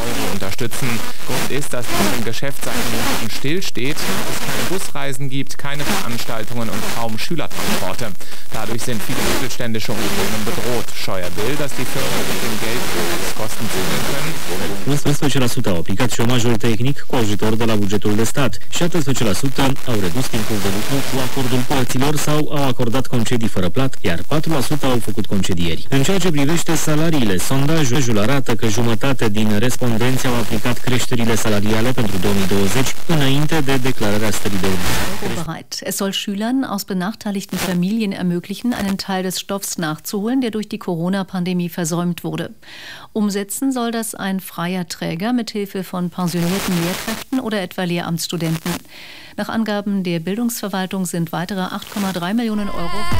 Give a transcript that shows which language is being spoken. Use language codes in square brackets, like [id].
[de] Euro unterstützen. Grund ist, dass im Geschäft seit Monaten stillsteht, es keine Busreisen gibt, keine Veranstaltungen und kaum Schülertransporte. Dadurch sind viele mittelständische Unternehmen bedroht. Scheuer will, dass die Firmen mit dem Geld des Kosten sehen können. [ro] 15% aplicați șomajul tehnic cu ajutor de la bugetul de stat și 18% au redus timpul de lucru cu acordul părților sau au acordat concedii fără plat, iar 4% au făcut concedieri. În ceea ce privește salariile, sondajul arată că jumătate din respondenți au aplicat creșterile salariale pentru 2020 înainte de declararea stării de urgență. [de] Es soll Schülern aus benachteiligten Familien ermöglichen, einen Teil des Stoffs nachzuholen, der durch die Corona-Pandemie versäumt wurde. Umsetzen soll das ein freier Träger mit Hilfe von pensionierten Lehrkräften oder etwa Lehramtsstudenten. Nach Angaben der Bildungsverwaltung sind weitere 8,3 Millionen Euro.